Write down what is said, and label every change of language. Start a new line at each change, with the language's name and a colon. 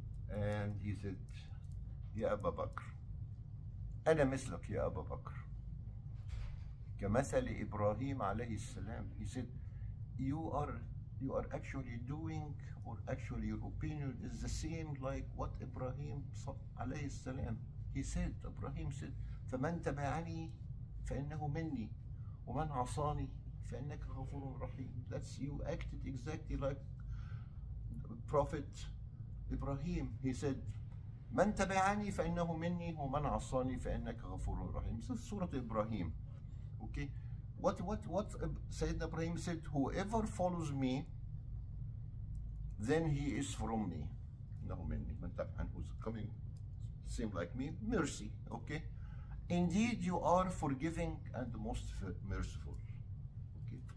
English: And he said, Ya Abu Bakr, ana mislak ya Abu Bakr. Kamathali Ibrahim alayhi salam. He said, you are actually doing, or actually your opinion is the same like what Ibrahim alayhi salam.
Arabic: He said, Ibrahim said, فَمَنْ تَبَعَنِي فَإِنَّهُ مِنِّي وَمَنْ عَصَانِي فَإِنَّكَ غَفُورٌ رَحِيمٌ.
English: That's, you acted exactly like Prophet Ibrahim.
Arabic: He said, مَنْ تَبَعَنِي فَإِنَّهُ مِنِّي وَمَنْ عَصَانِي فَإِنَّكَ غَفُورٌ رَحِيمٌ.
English: This is Surah Ibrahim. Okay. What Sayyidina Ibrahim said, whoever follows me, then he is from me. إِنَّهُ مِنِّي مَنْ تَبَعَنِي, who's coming, same like me, mercy. Okay. Indeed, you are forgiving and the most merciful. Okay.